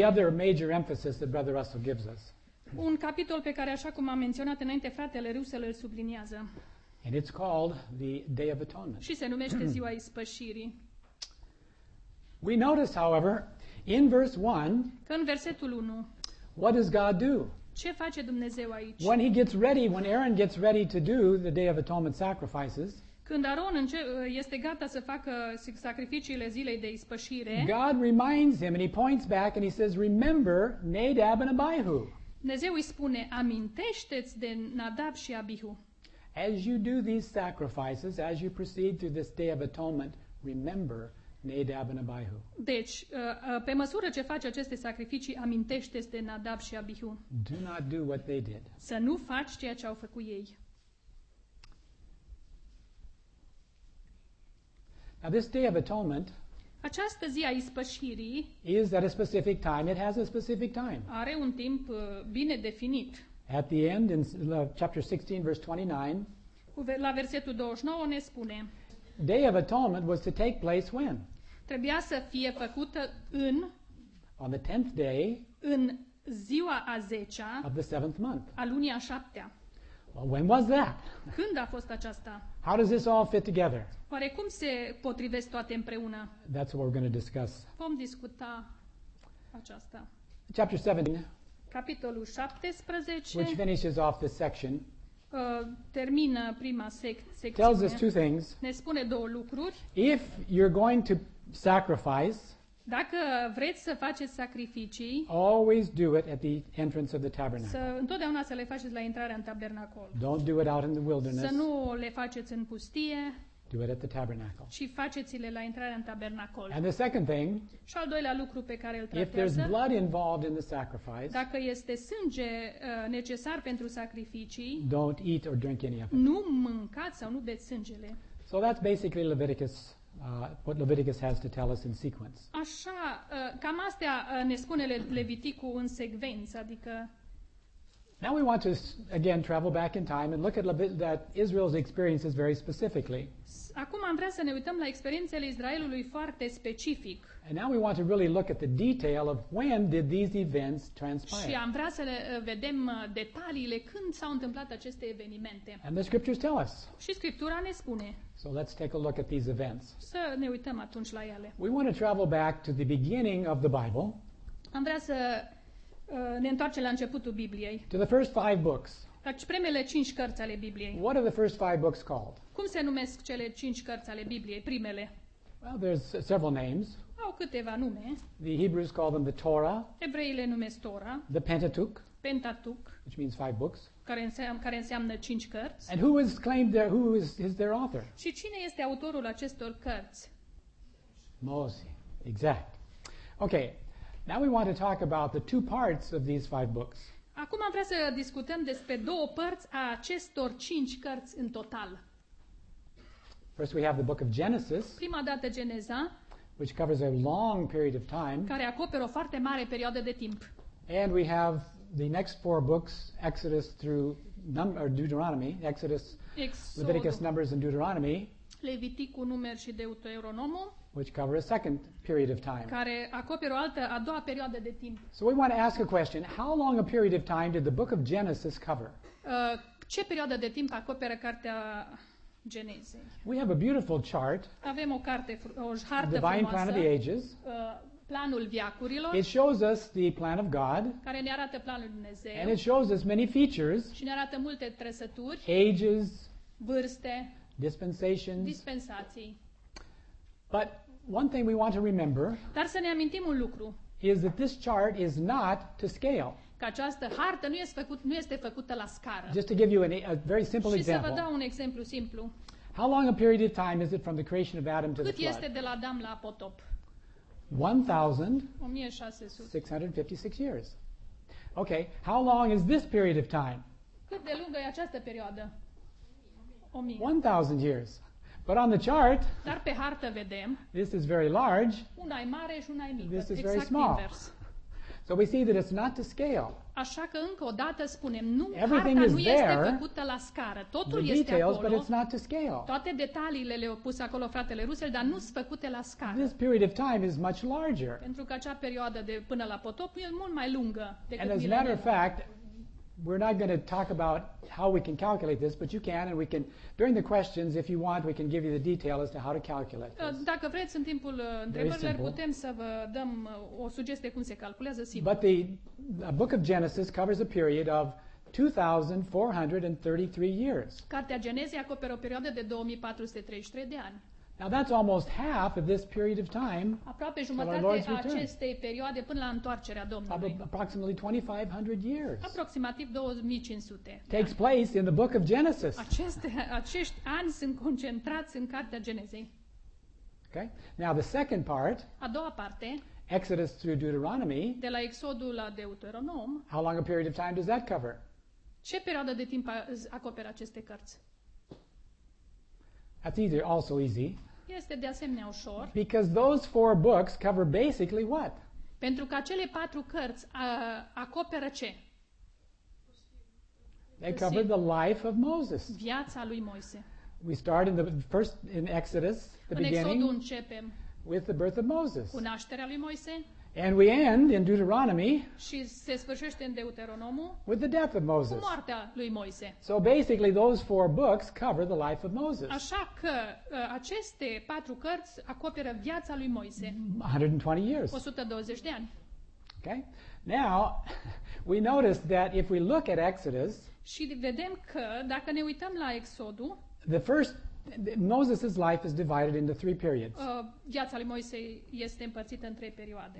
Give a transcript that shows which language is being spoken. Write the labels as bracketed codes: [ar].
[en] The other major emphasis that Brother Russell gives us. [ro] Un capitol pe care, așa cum am menționat înainte, fratele Russell îl subliniază. [en] And it's called the Day of Atonement. [ro] Și se numește ziua ispășirii. [en] We notice, however, in verse 1, [ro] că în versetul 1, [en] what does God do? [ro] Ce face Dumnezeu aici? [en] When he gets ready, when Aaron gets ready to do the Day of Atonement sacrifices, [ro] când Aaron este gata să facă sacrificiile zilei de ispășire, [en] God reminds him and he points back and he says, remember Nadab and Abihu. [ro] Dumnezeu îi spune, amintește-ți de Nadab și Abihu. [en] As you do these sacrifices, as you proceed through this Day of Atonement, remember Nadab and Abihu. [ro] Deci, pe măsură ce faci aceste sacrificii, amintește-ți de Nadab și Abihu. [en] Do not do what they did. [ro] Să nu faci ceea ce au făcut ei. [en] Now this Day of Atonement, [ro] această zi a ispășirii, [en] is at a specific time. It has a specific time. [ro] Are un timp bine definit. [en] At the end, in chapter 16, verse 29, [ro] la versetul 29 ne spune, [en] Day of Atonement was to take place when? [ro] Trebuia să fie făcută în, [en] on the 10th day, [ro] în ziua a 10-a, [en] of the 7th month, [ro] a lunii a 7-a. [en] Well, when was that? [ro] Când a fost aceasta? [en] How does this all fit together? [ro] Oare cum se potrivesc toate împreună? [en] That's what we're going to discuss. [ro] Vom discuta aceasta. [en] Chapter 17, [ro] capitolul 17, [en] which finishes off this section, [ro] termină prima secțiune, [en] tells us two things. [ro] Ne spune două lucruri. [en] If you're going to sacrifice, [ro] dacă vreți să faceți sacrificii, [en] always do it at the entrance of the tabernacle. [ro] Să întotdeauna să le faceți la intrarea în tabernacol. [en] Don't do it out in the wilderness. [ro] Să nu le faceți în pustie. [en] Do it at the tabernacle. [ro] Și faceți-le la intrarea în tabernacol. [en] And the second thing, [ro] și al doilea lucru pe care îl tratează, [en] if there's blood involved in the sacrifice, [ro] dacă este sânge necesar pentru sacrificii, [en] don't eat or drink any of it. [ro] Nu mâncați sau nu beți sângele. [en] So that's basically Leviticus, what Leviticus has to tell us in sequence. [ro] Așa, cam astea ne spune Leviticul în secvență, adică. [en] Now we want to again travel back in time and look at that Israel's experiences very specifically. [ro] Acum am vrea să ne uităm la experiențele Israelului foarte specific. [en] And now we want to really look at the detail of when did these events transpire. [ro] Și am vrea să vedem detaliile când s-au întâmplat aceste evenimente. [en] And the scriptures tell us. [ro] Și Scriptura ne spune. [en] So let's take a look at these events. [ro] Să ne uităm atunci la ele. [en] We want to travel back to the beginning of the Bible. [ro] Am vrea să ne întoarcem la începutul Bibliei. [en] To the first five books. [ro] Deci primele cinci cărți ale Bibliei. [en] What are the first five books called? [ro] Cum se numesc cele cinci cărți ale Bibliei, primele? [en] Well, there's several names. [ro] Au câteva nume. [en] The Hebrews call them the Torah. [ro] Evreile numesc Torah. [en] The Pentateuch. [ro] Pentateuch. [en] Which means five books. [ro] Care înseamnă cinci cărți. [en] And who is claimed there? Who is their author? [ro] Și cine este autorul acestor cărți? [en] Moses. Exact. Okay. Now we want to talk about the two parts of these five books. [ro] Acum am vrea să discutăm despre două părți a acestor cinci cărți în total. [en] First we have the book of Genesis. [ro] Prima dată Geneza. [en] Which covers a long period of time. [ro] Care acoperă o foarte mare perioadă de timp. [en] And we have the next four books, Exodus through Deuteronomy, Exodus, [ro] Exodul, [en] Leviticus, Numbers and Deuteronomy. [ro] Leviticul, Numeri și Deuteronomul. [en] Which cover a second period of time. [ro] Care acoperă o altă, a doua perioadă de timp. [en] So we want to ask a question, how long a period of time did the book of Genesis cover? [ro] Ce perioadă de timp acoperă cartea Genezei? [en] We have a beautiful chart. [ro] Avem o carte, o hartă [en] divine [ro] frumoasă. [en] Plan of the Ages. [ro] Planul veacurilor. [en] It shows us the plan of God. [ro] Care ne arată planul Dumnezeu. [en] And it shows us many features. [ro] Și ne arată multe trăsături. [en] Ages. [ro] Vârste. [en] Dispensations. [ro] Dispensații. [en] But one thing we want to remember, [ro] dar să ne amintim un lucru, [en] is that this chart is not to scale. [ro] Că această hartă nu este făcută la scară. [en] Just to give you a very simple example. [ro] Și să vă dau un exemplu simplu. [en] How long a period of time is it from the creation of Adam to [ro] cât [en] the flood? [ro] Cât este de la Adam la potop? [en] 1656 years. Okay, how long is this period of time? [ro] Cât de lungă e această perioadă? [en] 1000 years. But on the chart, [ro] dar pe hartă vedem, [en] this is very large. [ro] Una e mare și una e mică. [en] This is [ro] exact [en] very small. [ro] Invers. [en] So we see that it's not to scale. [ro] Așa că încă o dată spunem, nu, [en] everything [ro] harta [en] is [ro] nu [en] there, [ro] este făcută la scară. Totul [en] the [ro] este [en] details, [ro] acolo. [en] But it's not to scale. [ro] Toate detaliile le-au pus acolo fratele Russell, dar nu sunt făcute la scară. [en] This period of time is much larger. [ro] Pentru că acea perioadă de până la potop e mult mai lungă decât. [en] And as a matter of fact, we're not going to talk about how we can calculate this, but you can, and we can, during the questions, if you want, we can give you the detail as to how to calculate this. [ro] Dacă vreți, în timpul întrebărilor, putem să vă dăm o sugestie cum se calculează, sigur. [en] But the book of Genesis covers a period of 2,433 years. [ro] Cartea Genezei acoperă o perioadă de 2,433 de ani. [en] Now that's almost half of this period of time. [ro] Aproape jumătate a acestei perioade până la întoarcerea Domnului. [en] Approximately 2500 years. [ro] Aproximativ 2500. [en] Takes place in the book of Genesis. [ro] Acești ani sunt concentrați în cartea Genezei. [en] Okay? Now the second part. [ro] A doua parte. [en] Exodus through Deuteronomy. [ro] De la Exodul la Deuteronom. [en] How long a period of time does that cover? [ro] Ce perioadă de timp acoperă aceste cărți? [en] That's either also easy. [ro] Este de asemenea ușor. [en] Because those four books cover basically what? [ro] Pentru că acele patru cărți acoperă ce? [en] They cover the life of Moses. [ro] Viața lui Moise. [en] We start in the first in Exodus, the [ro] în [en] beginning. [ro] Exodul începem. [en] With the birth of Moses. [ro] Cu nașterea lui Moise. [en] And we end in Deuteronomy. [ro] Și se sfârșește în Deuteronomul. [en] With the death of Moses. [ro] Cu moartea lui Moise. [en] So basically those four books cover the life of Moses. [ro] Așa că aceste patru cărți acoperă viața lui Moise. [en] 120 years. [ro] 120 de ani. [en] Okay? Now we notice that if we look at Exodus, [ro] și vedem că dacă ne uităm la Exodul, [en] the first Moses' life is divided into three periods. [ro] Viața lui Moise este împărțită în trei perioade.